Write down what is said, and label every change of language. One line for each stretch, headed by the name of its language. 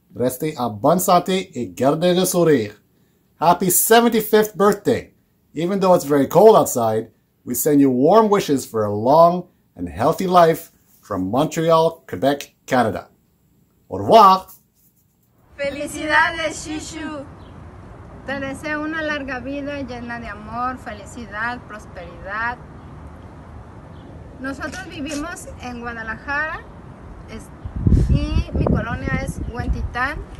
French: Restez en bonne santé et gardez le sourire.
English: Happy 75th birthday. Even though it's very cold outside, we send you warm wishes for a long and healthy life from Montreal, Quebec, Canada.
French: Au revoir!
Spanish: Felicidades, Shishu! Te deseo una larga vida llena de amor, felicidad, prosperidad. Nosotros vivimos en Guadalajara y mi colonia es Huentitán.